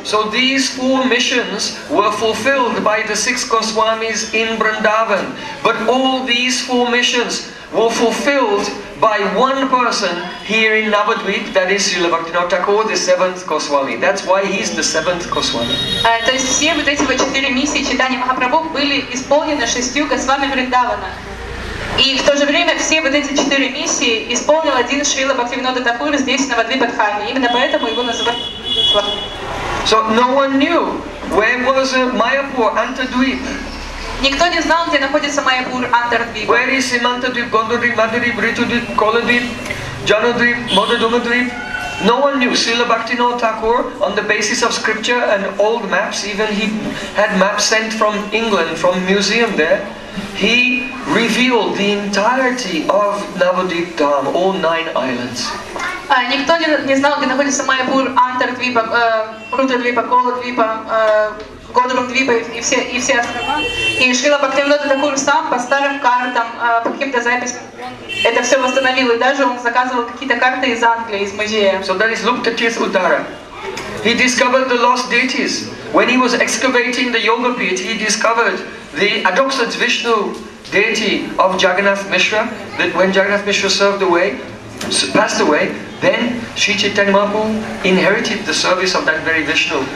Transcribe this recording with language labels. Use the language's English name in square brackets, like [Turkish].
[English] So these four missions were fulfilled by the six Goswamis in Vrindavan. But all these four missions were fulfilled by one person here in Navadvip, that is Srila Bhaktivinoda Thakura, the seventh Goswami. That's why he's the seventh Goswami. [Russian] То есть все вот эти четыре миссии Чайтанья Махапрабху были исполнены шестью Госвами Вриндавана. И в то же время все вот эти четыре миссии исполнил один Шрила Бхактивинода Такура здесь, на Навадвипадхаме. Именно поэтому его называют. [English] So no one knew where was Mayapur Antadvip. [Russian] Никто не знал, где находится Майяпур Антардвип. [English] Where is Simantadvip, Gondadvip, Madhadvip, Ritudvip, Koladvip, Janadvip, Madhadumadvip? No one knew. Srila Bhaktivinoda Thakur, on the basis of scripture and old maps, even he had maps sent from England, from museum there, he revealed the entirety of Navadvip Dham, all nine islands. [Russian] Никто не знал, где находится Майяпур Антардвип, Рудрадвип, Коладвип, Гондрумдвипа и все острова. И Шрила Бхактивинода Такур сам по старым картам, по каким-то записям, это все восстановил. И даже он заказывал какие-то карты из Англии, из музея. [English] So that is Lupta Tirtha Udhara. He discovered the lost deities. when he was excavating the yoga pit, he discovered the adoxed Vishnu deity of Jagannath Mishra, that when Jagannath Mishra passed away, then Sri Chaitanya Mahaprabhu inherited the service of that very Vishnu.